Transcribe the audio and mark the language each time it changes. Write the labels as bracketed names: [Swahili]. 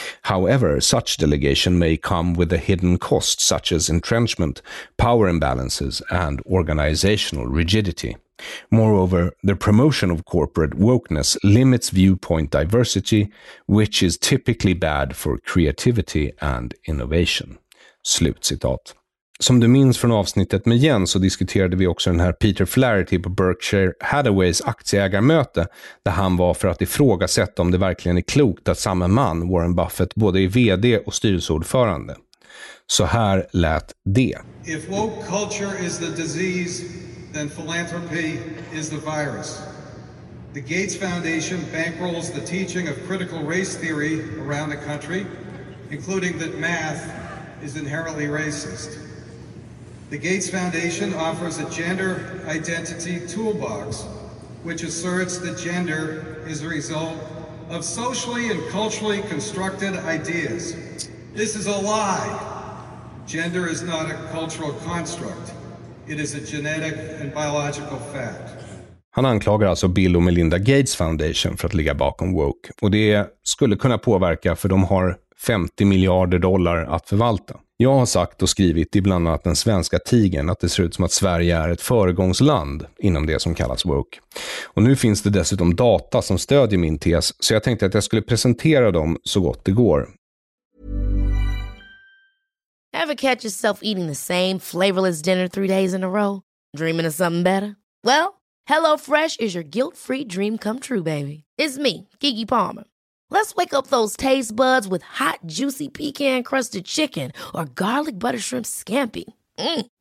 [English] However, such delegation may come with a hidden cost, such as entrenchment, power imbalances, and organizational rigidity. Moreover, the promotion of corporate wokeness limits viewpoint diversity, which is typically bad for creativity and innovation. [Swedish] Slutcitat. Som du minns från avsnittet med Jens så diskuterade vi också den här Peter Flaherty på Berkshire Hathaways aktieägarmöte där han var för att ifrågasätta om det verkligen är klokt att samma man, Warren Buffett, både är vd och styrelseordförande. Så här lät det. [English] If woke culture is the disease, then philanthropy is the virus. The Gates Foundation bankrolls the teaching of critical race theory around the country, including that math is inherently racist. The Gates Foundation offers a gender identity toolbox, which asserts that gender is a result of socially and culturally constructed ideas. This is a lie. Gender is not a cultural construct. It is a genetic and biological fact. [Swedish] Han anklagar alltså Bill och Melinda Gates Foundation för att ligga bakom woke. Och det skulle kunna påverka, för de har 50 miljarder dollar att förvalta. Jag har sagt och skrivit i bland annat den svenska tigen att det ser ut som att Sverige är ett föregångsland inom det som kallas woke. Och nu finns det dessutom data som stödjer min tes, så jag tänkte att jag skulle presentera dem så gott det går. [English] Ever catch yourself eating the same flavorless dinner 3 days in a row? Dreaming of something better? Well, HelloFresh is your guilt-free dream come true, baby. It's me, Keke Palmer. Let's wake up those taste buds with hot, juicy pecan-crusted chicken or garlic butter shrimp scampi. Mm.